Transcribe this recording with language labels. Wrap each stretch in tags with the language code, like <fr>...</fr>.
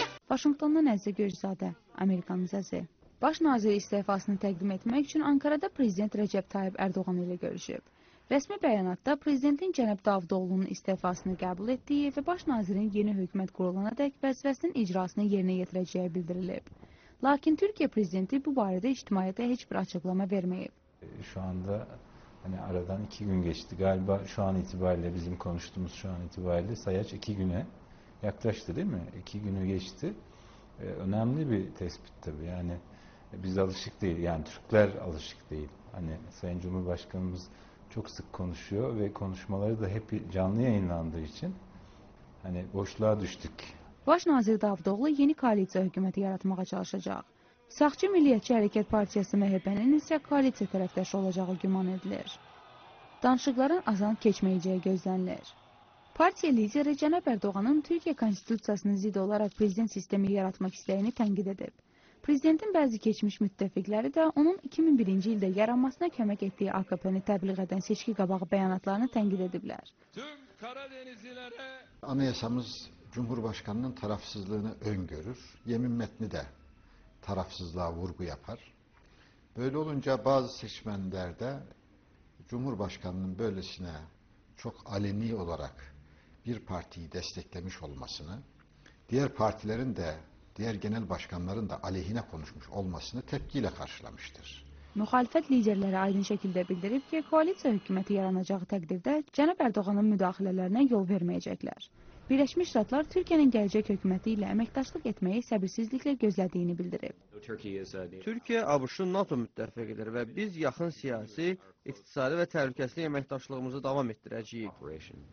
<az>Vaşinqtondan Əzizə Gürcüzadə, Amerikanın səsi. Baş nazir istefasını təqdim etmək üçün Ankarada Prezident Rəcəb Tayyib Ərdoğan ilə görüşüb. Rəsmi bəyanatda Prezidentin Cənab Davudoğlunun istefasını qəbul etdiyi və Baş nazirin yeni hökumət qurulana dək vəzifəsinin icrasını yerinə yetirəcəyi bildirilib. Lakin Türkiyə Prezidenti bu barədə ictimaiyyətə heç bir açıqlama verməyib.</az> <tr>Şu anda hani aradan iki gün geçti. Galiba şu an itibariyle bizim konuştuğumuz şu an itibariyle sayaç iki güne yaklaştı değil mi? İki günü geçti. Önemli bir tespit tabii. Yani biz alışık değil. Yani Türkler alışık değil. Hani Sayın Cumhurbaşkanımız çok sık konuşuyor ve konuşmaları da hep canlı yayınlandığı için hani boşluğa düştük.</tr> <az>Başnazir Davudoğlu yeni koalisyon hükümeti yaratmağa çalışacak. Sağçı Milliyetçi Hərəkət Partiyası MHP'nin isə koalisyon tərəfdaşı olacağı güman edilir. Danışıqların azan keçməyəcəyi gözlənilir. Partiya lideri Cənab Ərdoğanın Türkiyə Konstitusiyasını zid olaraq prezident sistemi yaratmaq istəyini tənqid edib. Prezidentin bəzi keçmiş müttəfiqləri də onun 2001-ci ildə yaranmasına kömək etdiyi AKP-ni təbliğ edən seçki qabağı bəyanatlarını tənqid ediblər.</az> <tr>Anayasamız Cumhurbaşkanının tarafsızlığını öngörür, yemin metni de tarafsızlığa vurgu yapar. Böyle olunca bazı seçmenlerde Cumhurbaşkanının böylesine çok aleni olarak bir partiyi desteklemiş olmasını, diğer partilerin de diğer genel başkanların da aleyhine konuşmuş olmasını tepkiyle karşılamıştır.</tr> <az>Müxalifət liderləri aydın şəkildə bildirib ki, koalisiya hökuməti yaranacağı təqdirdə Cənab Ərdoğanın müdaxilələrinə yol verməyəcəklər. Birləşmiş Ştatlar Türkiyənin gələcək hökuməti ilə əməkdaşlıq etməyi səbirsizliklə gözlədiyini bildirib. Türkiyə ABŞ-ın NATO müttəfiqidir və biz yaxın siyasi, iqtisadi və təhlükəsizlik əməkdaşlığımızı davam etdirəcəyik.</az>